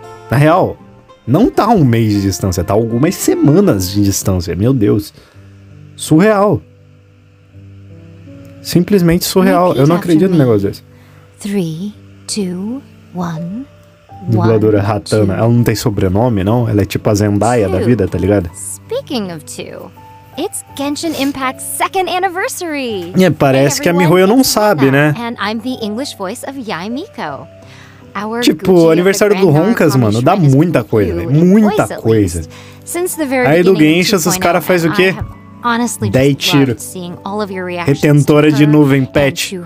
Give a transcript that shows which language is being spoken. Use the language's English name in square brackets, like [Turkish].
[Portuguese] Na real, não tá um mês de distância, tá algumas semanas de distância. Meu Deus. Surreal. Simplesmente surreal. Eu não acredito no negócio desse. 3, 2, 1. Dubladora Hatana. Ela não tem sobrenome, não? Ela é tipo a Zendaya da vida, tá ligado? [English] Speaking of two, it's Genshin Impact's second anniversary. [Portuguese] É, parece que a Mihoyo não sabe, né? [English] And I'm the English voice of Yae Miko. [Portuguese] Tipo, o aniversário do Roncas, mano, dá muita coisa, velho. Muita coisa. Aí do Genshin, esses caras fazem o quê? Dei tiro. Retentora de nuvem pet.